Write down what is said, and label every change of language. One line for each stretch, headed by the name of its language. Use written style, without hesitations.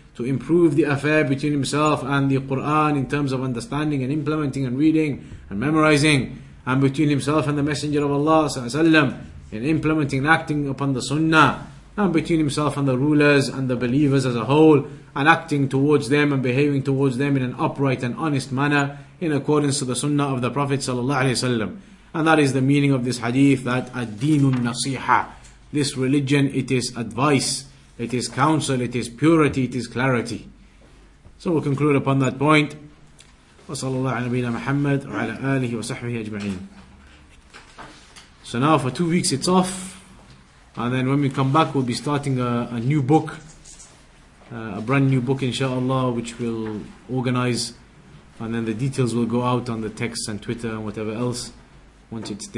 English: to improve the affair between himself and the Quran in terms of understanding and implementing and reading and memorizing, and between himself and the Messenger of Allah ﷺ in implementing and acting upon the Sunnah, and between himself and the rulers and the believers as a whole, and acting towards them and behaving towards them in an upright and honest manner in accordance to the Sunnah of the Prophet ﷺ. And that is the meaning of this hadith, that
Arabic: الدين النصيحة,
English: this religion, it is advice, it is counsel, it is purity, it is clarity. So we'll conclude upon that point.
Arabic: وصلى الله على نبينا محمد وعلى آله وصحبه أجمعين.
English: So now for 2 weeks it's off, and then when we come back we'll be starting a new book, a brand new book inshallah, which we'll organize, and then the details will go out on the texts and Twitter and whatever else once it's decided. But inshallah in 2 weeks time then we'll start with a new book.